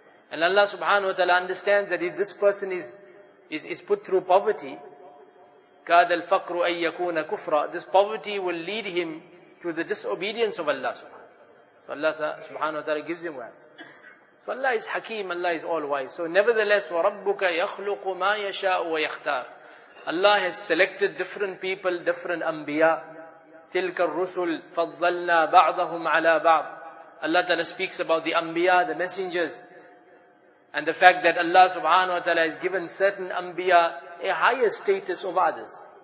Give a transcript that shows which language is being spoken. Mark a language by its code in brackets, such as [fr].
[en] And Allah subhanahu wa ta'ala understands that if this person is put through poverty, [ar] كَادَ الْفَقْرُ أَن يَكُونَ كُفْرًا, [en] this poverty will lead him to the disobedience of Allah subhanahu wa ta'ala. So Allah subhanahu wa ta'ala gives him wealth. So Allah is Hakim, Allah is all wise. So nevertheless, [ar] وَرَبُّكَ يَخْلُقُ مَا يَشَاءُ وَيَخْتَارُ. [en] Allah has selected different people, different anbiya. [ar] تِلْكَ الرُّسُلْ فَضَّلْنَا بَعْضَهُمْ عَلَى بَعْضٍ. [en] Allah ta'ala speaks about the anbiya, the messengers, and the fact that Allah subhanahu wa ta'ala has given certain anbiya a higher status of others.